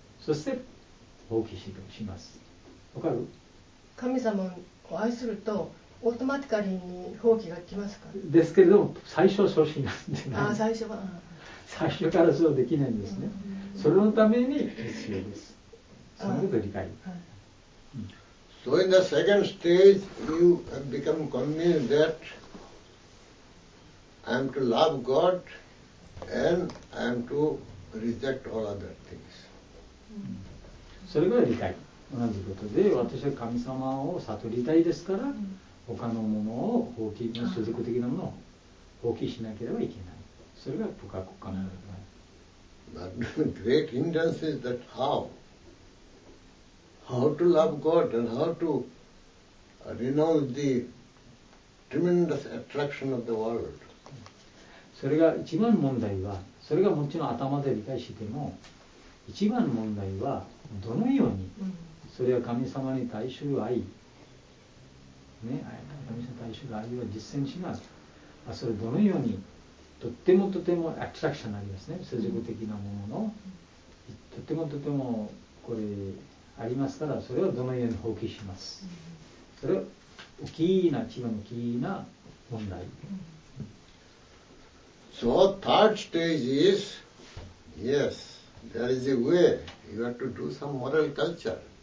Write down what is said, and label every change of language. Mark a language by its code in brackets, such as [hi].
[ja] そして放棄します。わかる？神様を愛するとオートマティカリに放棄が来ますか？ですけれども最初はそうしないんですね。ああ、最初は。最初からそうできないんですね。それのために必要です。そのことを理解。はい、うん。 [en] So in the second stage, you have become convinced that I am to love God and I am to reject all other things. [ja] それが理解。同じことで、私は神様を悟りたいですから、他のものを放棄、世俗的なものを放棄しなければいけない。それが不可欠かな。 [en] But great hindrance is that how? How to love God and how to renounce the tremendous attraction of the world? [ja] それが一番問題は、それがもちろん頭で理解しても、一番問題は、どのように、それは神様に対する愛、ね、神様に対する愛を実践します。それどのように、とってもとてもアトラクションありますね、世俗的なものの、とてもとてもこれありますから、それをどのように放棄します。それは大きな、一番大きな問題。 [en] So third stage is, yes, there is a way. You have to do some moral culture.